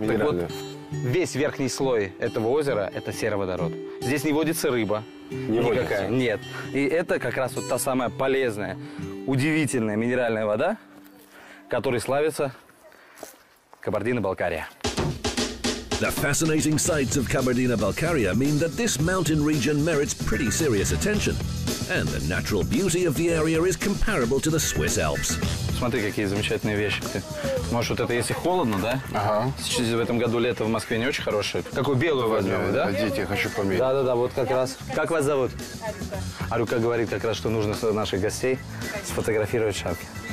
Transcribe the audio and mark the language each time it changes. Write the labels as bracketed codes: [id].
[ru] так вот, весь верхний слой этого озера – это сероводород. Здесь не водится рыба. Не никакая. Водится. Нет. И это как раз вот та самая полезная, удивительная минеральная вода, которой славится Кабардино-Балкария. [en] The fascinating sights of Kabardino-Balkaria mean that this mountain region merits pretty serious attention. And the natural beauty of the area is comparable to the Swiss Alps. [ru] Смотри, какие замечательные вещи. Ты можешь вот это, если холодно, да? Ага. Сейчас в этом году лето в Москве не очень хорошее. Какую белую возьмем, да? Подождите, я хочу померить. Да-да-да, вот как раз. Как вас зовут? Арюка. Арюка говорит как раз, что нужно наших гостей сфотографировать шапки.